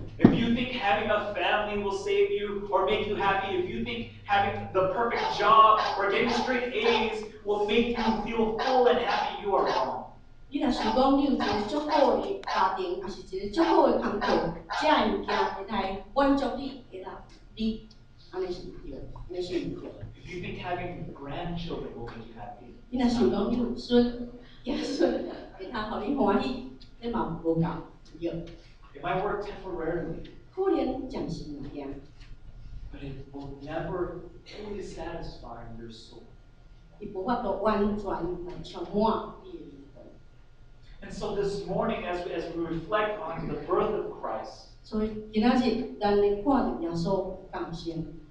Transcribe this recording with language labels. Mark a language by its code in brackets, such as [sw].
[en] If you think having a family will save you or make you happy, if you think having the perfect job or getting straight A's will make you feel full and happy, you are wrong. [nan] 你若想讲你有一个足好的家庭，也是一个足好的工作，这样物件会来满足你，会来你。 [en] If you think having grandchildren will make you happy, [nan] 你若想讲有孙、有孙，会通让你欢喜，你嘛无够对。 [en] It might work temporarily, [nan] 可能暂时那样。 [en] But it will never fully satisfy your soul. [nan] 伊无法度完全来充满你的灵魂。 [en] And so this morning, as we reflect on the birth of Christ. [nan] 所以今仔日，咱来看着耶稣降生。